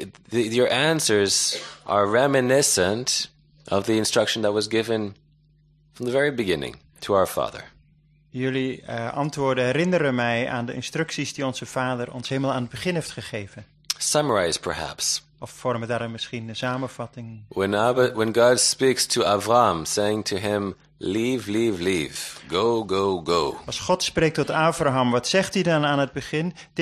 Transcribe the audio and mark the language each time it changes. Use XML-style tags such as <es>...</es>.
<en>Your answers are reminiscent of the instruction that was given from the very beginning to our Father.</en> <nl>Jullie antwoorden herinneren mij aan de instructies die onze Vader ons helemaal aan het begin heeft gegeven.</nl> <en>Summarize, perhaps.</en> <nl>Of vormen daar misschien een samenvatting.</nl> <en>When God speaks to Avram, saying to him, leave. Go.</en> <nl>Als God spreekt tot Abraham, wat zegt hij dan aan het begin?</nl>